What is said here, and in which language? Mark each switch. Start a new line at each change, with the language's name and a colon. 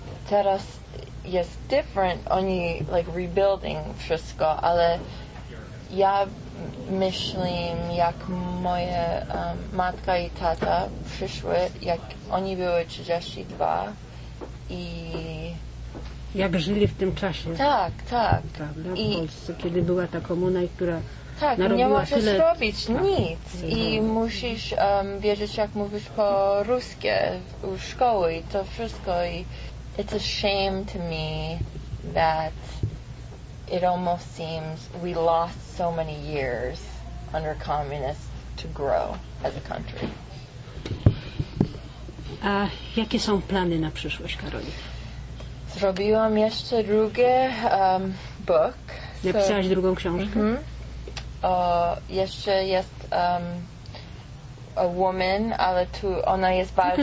Polish: teraz jest different, oni
English: like rebuilding
Polish: wszystko, ale ja myślę, jak moje matka i tata przyszły, jak oni były 32 i... Jak żyli w tym czasie. Tak, tak. Prawda? W Polsce, kiedy była ta komuna, która tak, narobiła nie możesz tyle... robić nic i musisz wiedzieć, jak mówisz po ruskie u szkoły i to wszystko.
English: I it's a shame to me that it almost seems we lost so many years under communists to grow as a country.
Polish: A jakie są plany na przyszłość, Karoli? Zrobiłam jeszcze drugie book. Napisałaś drugą książkę? Mm-hmm. O, jeszcze jest
English: a woman,
Polish: ale tu ona jest bardzo...